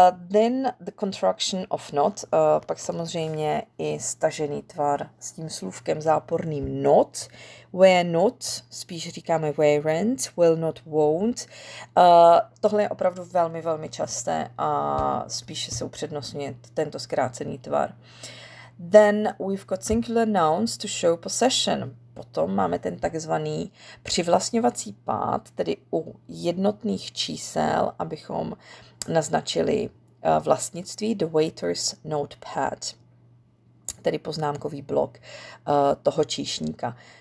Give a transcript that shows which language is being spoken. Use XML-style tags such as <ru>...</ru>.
<en>Then the contraction of not,</en> <cs>pak samozřejmě i stažený tvar s tím slůvkem záporným not.</cs> <en>Where not,</en> <cs>spíš říkáme</cs> <en>weren't, will not, won't.</en> <cs>Tohle je opravdu velmi, velmi časté a spíše se upřednostňuje tento zkrácený tvar.</cs> <en>Then we've got singular nouns to show possession.</en> <cs>Potom máme ten takzvaný přivlastňovací pád, tedy u jednotných čísel, abychom naznačili vlastnictví,</cs> <en>the waiter's notepad,</en> <cs>tedy poznámkový blok toho číšníka.</cs>